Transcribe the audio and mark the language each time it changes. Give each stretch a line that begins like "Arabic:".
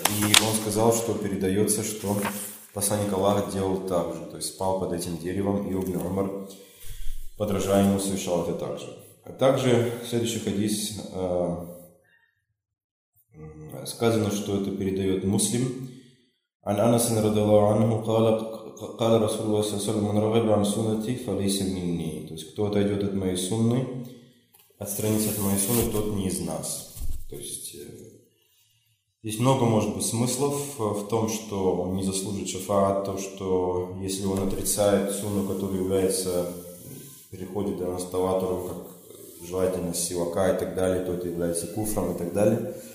Russian: И он сказал, что передается, что посланник Аллаха делал так же, то есть спал под этим деревом, и ибн Умар, подражая ему, совершал это так же. А также следующий хадис сказано, что это передает муслим.
Arabic: عن أنس رضي الله عنه قال قال رسول الله صلى الله عليه وسلم من رغب عن سنتي فليس مني.
Russian: То есть кто отойдет от моей сунны, отстранится от моей сунны, тот не из нас. То есть здесь много может быть смыслов в том, что он не заслужит шафаат, то что если он отрицает сунну, которая является переходит до нас таватуру, как желательность сивака и так далее, то это является куфром и так далее.